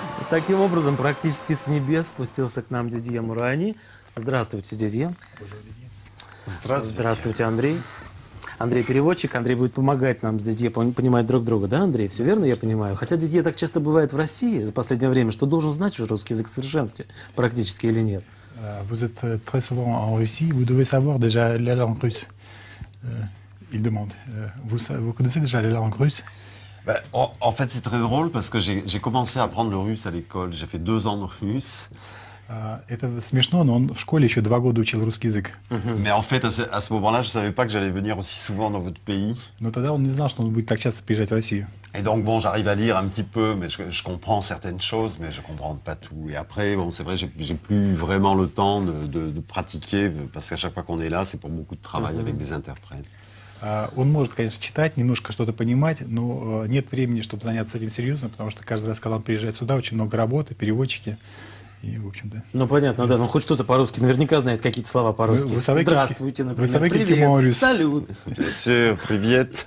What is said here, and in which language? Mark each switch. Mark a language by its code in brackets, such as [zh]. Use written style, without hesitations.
[ru] Таким образом, практически с небес спустился к нам Дидье Мурани. Здравствуйте, Дидье. Здравствуйте. Здравствуйте, Андрей. Андрей переводчик, Андрей будет помогать нам с Дидье понимать друг друга, да, Андрей? Все верно, я понимаю? Хотя Дидье так часто бывает в России за последнее время, что должен знать уже русский язык в совершенстве, практически или нет. [fr] Vous êtes très souvent en Russie, vous devez savoir déjà la langue russe. Il demande. Vous connaissez déjà la langue russe? En fait, c'est très drôle parce que j'ai commencé à apprendre le russe à l'école. J'ai fait 2 ans de russe. [ru] Это смешно, но он в школе еще 2 года учил русский язык. [fr] Mais en fait, à ce moment-là, je savais pas que j'allais venir aussi souvent dans votre pays. [ru] Но тогда он не знал, что он будет так часто приезжать в Россию. [fr] Et donc bon, j'arrive à lire un petit peu, mais je comprends certaines choses, mais je comprends pas tout. Et après, bon, c'est vrai, j'ai plus vraiment le temps de pratiquer parce qu'à chaque fois qu'on est là, c'est pour beaucoup de travail avec des interprètes. [ru] Он может, конечно, читать, немножко что-то понимать, но нет времени, чтобы заняться этим серьезно, потому что каждый раз, когда он приезжает сюда, очень много работы, переводчики. И, в общем, да. Ну, понятно, да. Ну, хоть что-то по-русски. Наверняка знает какие-то слова по-русски. Здравствуйте, например. Привет. Салют. Привет.